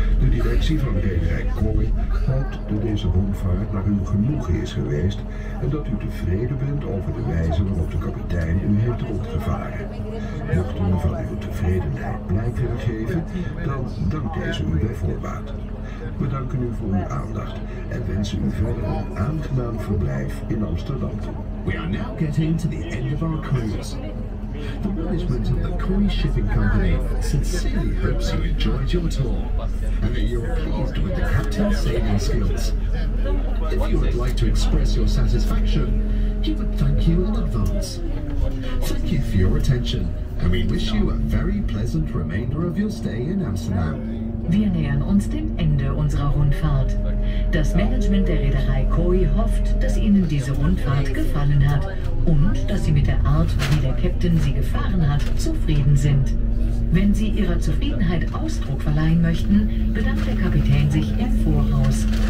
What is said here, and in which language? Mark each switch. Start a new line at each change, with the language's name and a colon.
Dutch: directie van rederij Kooi hoopt dat deze rondvaart naar uw genoegen is geweest en dat u tevreden bent over de wijze waarop de kapitein u heeft rondgevaren. Mocht u van uw tevredenheid blijk willen geven, dan dankt deze u bij voorbaat. We danken u voor uw aandacht en wensen u verder een aangenaam verblijf in Amsterdam.
English: We are now getting to the end of our cruise. The management of the Kooi Shipping Company sincerely hopes you enjoyed your tour and that you're pleased with the captain's sailing skills. If you would like to express your satisfaction, he would thank you in advance. Thank you for your attention, and we wish you a very pleasant remainder of your stay in Amsterdam.
German: Wir nähern uns dem Ende unserer Rundfahrt. Das Management der Reederei Kooi hofft, dass Ihnen diese Rundfahrt gefallen hat und dass Sie mit der Art, wie der Captain Sie gefahren hat, zufrieden sind. Wenn Sie Ihrer Zufriedenheit Ausdruck verleihen möchten, bedankt der Kapitän sich im Voraus.